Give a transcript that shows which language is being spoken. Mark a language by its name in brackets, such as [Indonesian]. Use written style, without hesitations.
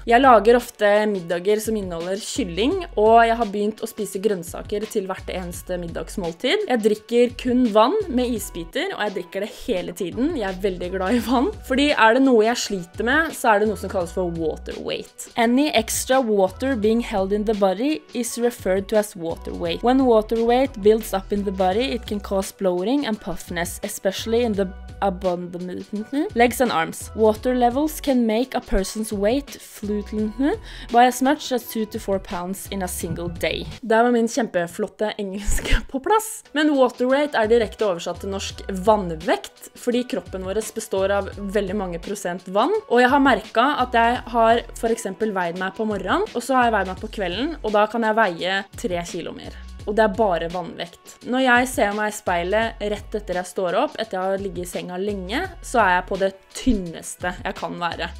[Norwegian] Jeg lager ofte middager som inneholder kylling, og jeg har begynt å spise grønnsaker til hvert eneste middagsmåltid. Jeg drikker kun vann med isbiter, og jeg drikker det hele tiden. Jeg er veldig glad i vann. Fordi er det noe jeg sliter med, så er det noe som kalles for water weight. [English] Any extra water being held in the body is referred to as water weight. When water weight builds up in the body, it can cause bloating and puffiness, especially in the abdomen, legs and arms. Water levels can make a person's weight fluctuate by as much as 2-4 pounds in a single day. [Norwegian] Der var min kjempeflotte engelske på plass. Men water weight er direkte oversatt til norsk vannvekt, fordi kroppen vår består av veldig mange prosent vann. Og jeg har merket at jeg har for eksempel veid meg på morgenen, og så har jeg veid meg på kvelden, og da kan jeg veie 3 kilo mer. og det er bare vannvekt. Når jeg ser meg i speilet rett etter jeg står opp, etter jeg har ligget i senga lenge, så er jeg på det tynneste jeg kan være.